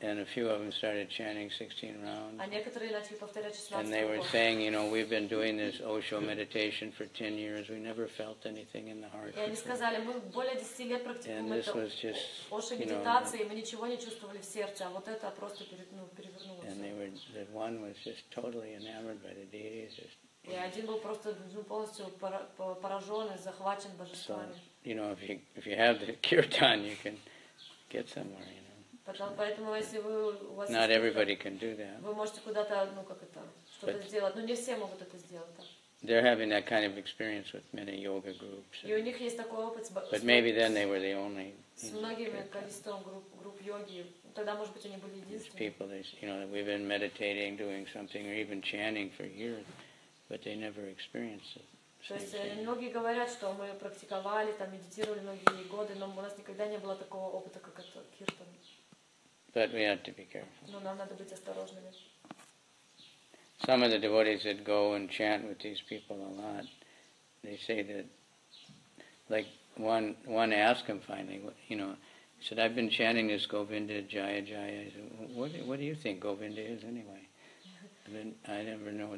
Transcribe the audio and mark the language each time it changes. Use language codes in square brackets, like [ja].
[en] And a few of them started chanting 16 rounds. And they were saying, you know, we've been doing this Osho meditation for 10 years. We never felt anything in the heart. And this was just, you know, and they were, the one was just totally enamored by the deities. [ru] И один был просто полностью поражен и захвачен божествами. [en] You know, if you have the kirtan, you can get somewhere, you know. [ru] Поэтому если вы [en] Not everybody can do that. [ru] Вы можете куда-то, ну как это, что-то сделать. Но не все могут это сделать. [en] They're having that kind of experience with many yoga groups. [ru] И у них есть такой опыт. [en] But maybe then they were the only. [ru] С многими количеством групп йоги. Тогда, может быть, они были единственными. [en] These people, you know, we've been meditating, doing something, or even chanting for years. But they never experienced it. [ru] То есть многие говорят, что мы практиковали, там медитировали многие годы, но у нас никогда не было такого опыта, как это киртан. [en] But we have to be careful. [ru] Но нам надо быть осторожными. [en] Some of the devotees that go and chant with these people a lot, they say that, like one asked him finally, you know, he said, I've been chanting this Govinda Jaya Jaya. Said, what do you think Govinda is anyway? I never know.